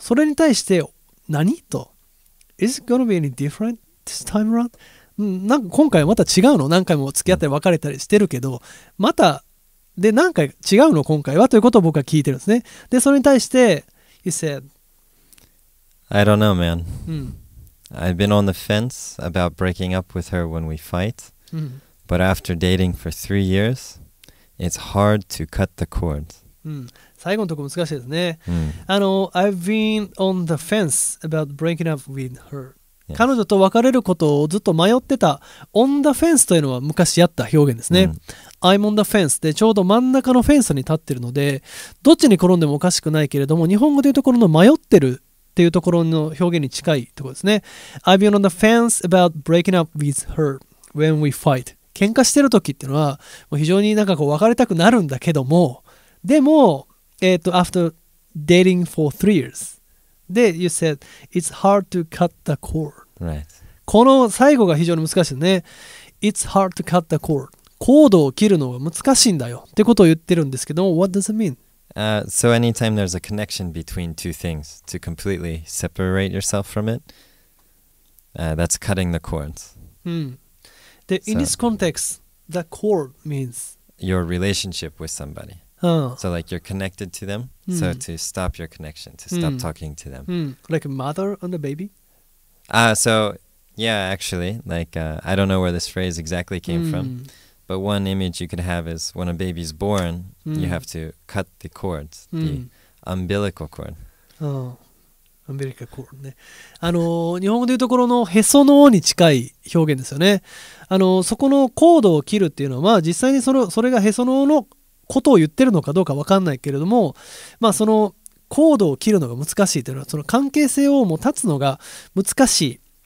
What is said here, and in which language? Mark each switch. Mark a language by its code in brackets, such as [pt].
[ja] それに対して何と、 [en] Is it gonna be any different this time around? [ja] なんか今回はまた違うの、何回も付き合ったり別れたりしてるけど、またで何回違うの今回は、ということを僕は聞いてるんですね。でそれに対して [en] He said, I don't know, man. I've been on the fence about breaking up with her when we fight. But after dating for 3 years, it's hard to cut the cord. [ja] 最後のとこ難しいですね。 [en] I've been on the fence about breaking up with her. [ja] 彼女と別れることをずっと迷ってた。 [en] On the fence [ja] というのは昔やった表現ですね。 [en] I'm on the fence [ja] でちょうど真ん中のフェンスに立ってるので、どっちに転んでもおかしくないけれども、日本語でいうところの迷ってるっていうところの表現に近いところですね。 [en] I've been on the fence about breaking up with her when we fight。 [ja] 喧嘩してる時っていうのはもう非常になんかこう別れたくなるんだけども、でも [en] after dating for 3 years [ja] で [en] you said it's hard to cut the cord、 right. [ja] この最後が非常に難しいね。 [en] It's hard to cut the cord [ja] コードを切るのが難しいんだよってことを言ってるんですけど、 [en] What does it mean?、 So anytime there's a connection between two things to completely separate yourself from it,、that's cutting the cords.、で、so, in this context, the cord means your relationship with somebody.、So like you're connected to them,、so to stop your connection, to stop talking to them.、 Like a mother and a baby?、 So yeah, actually, like、I don't know where this phrase exactly came、from. But one image you can have is when a baby's born, you have to cut the cords, the umbilical cord. Umbilical cord, [ja] ね。日本語で言うところのへその緒に近い表現ですよね。そこのコードを切るっていうのは、実際にそれがへその緒のことを言ってるのかどうか分かんないけれども、まあ、そのコードを切るのが難しいというのは、その関係性をもう断つのが難しい。